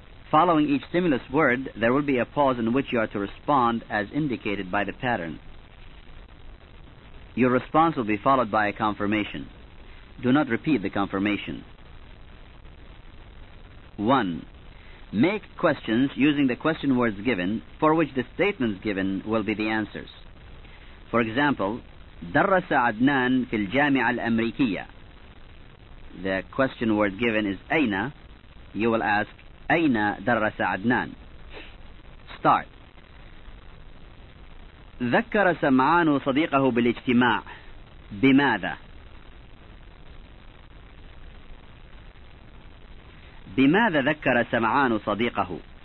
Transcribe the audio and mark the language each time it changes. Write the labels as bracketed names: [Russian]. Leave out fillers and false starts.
[English] Following each stimulus word, there will be a pause in which you are to respond as indicated by the pattern. Your response will be followed by a confirmation. Do not repeat the confirmation. 1. Make questions using the question words given, for which the statements given will be the answers. For example, [Arabic] درس عدنان في الجامعة الأمريكية. [English] The question word given is أين. You will ask, [Arabic] أين درس عدنان? [English] Start. [Arabic] ذكر سمعان صديقه بالاجتماع. بماذا? بماذا ذكر سمعان صديقه?